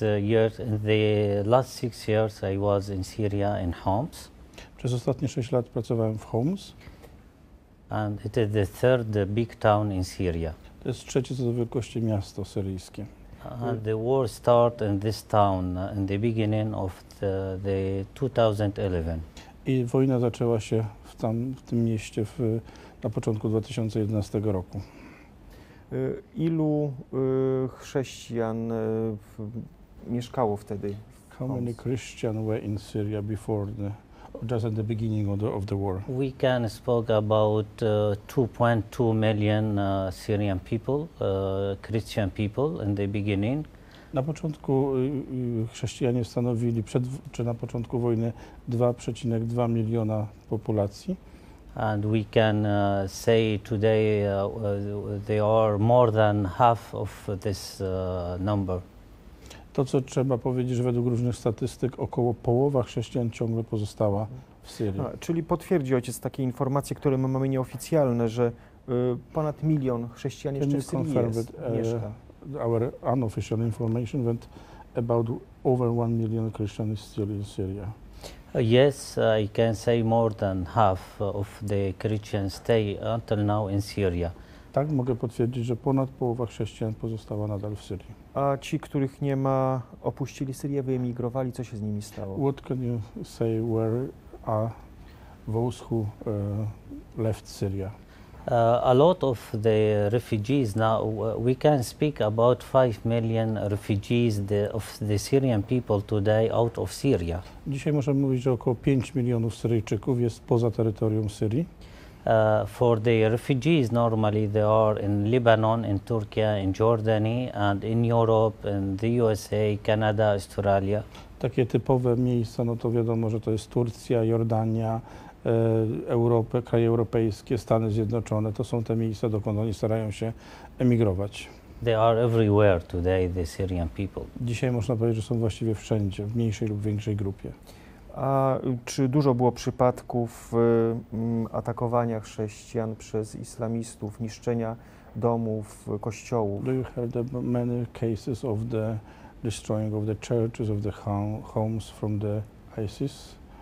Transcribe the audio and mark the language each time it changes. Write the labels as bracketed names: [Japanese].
[English] The last six years I was in Syria in Homs. [Polish] Przez ostatnie 6 lat pracowałem w Homs. [English] And it is the third big town in Syria. [Polish] To jest trzecie co do wielkości miasto syryjskie. [English] And the war started in this town in the beginning of the 2011. [Polish] I wojna zaczęła się w tym mieście na początku 2011 roku. Ilu chrześcijan mieszkało wtedy? [English] How many Christians were in Syria before the, just at the beginning of the war? We can speak about 2.2 million Syrian people, Christian people in the beginning. [Polish] Na początku chrześcijanie stanowili na początku wojny 2,2 miliona populacji. [English] And we can say today they are more than half of this number. [Polish] To, co trzeba powiedzieć, że według różnych statystyk około połowa chrześcijan ciągle pozostała w Syrii. Czyli potwierdzi ojciec takie informacje, które my mamy nieoficjalne, że ponad milion chrześcijan jeszcze w Syrii jest, mieszka. [English] Our unofficial information went about over 1 million Christians still in Syria. Yes, I can say more than half of the Christians stay until now in Syria. [Polish] Tak, mogę potwierdzić, że ponad połowa chrześcijan pozostała nadal w Syrii. A ci, których nie ma, opuścili Syrię, wyemigrowali, co się z nimi stało? [English] What can you say, where are those who left Syria? A lot of the refugees now, we can speak about 5 million refugees of the Syrian people today out of Syria. [Polish] Dzisiaj możemy mówić, że około 5 milionów Syryjczyków jest poza terytorium Syrii. [English] For the refugees, normally they are in Lebanon, in Turkey, in Jordan, and in Europe, in the USA, Canada, Australia. [Polish] Takie typowe miejsca, no to wiadomo, że to jest Turcja, Jordania, Europę, kraje europejskie, Stany Zjednoczone, to są te miejsca, dokąd oni starają się emigrować. [English] They are everywhere today, the Syrian people. [Polish] Dzisiaj można powiedzieć, że są właściwie wszędzie, w mniejszej lub większej grupie. A czy dużo było przypadków atakowania chrześcijan przez islamistów, niszczenia domów, kościołów? [English] Do you heard of many cases of the destroying of the churches, of the homes from the ISIS?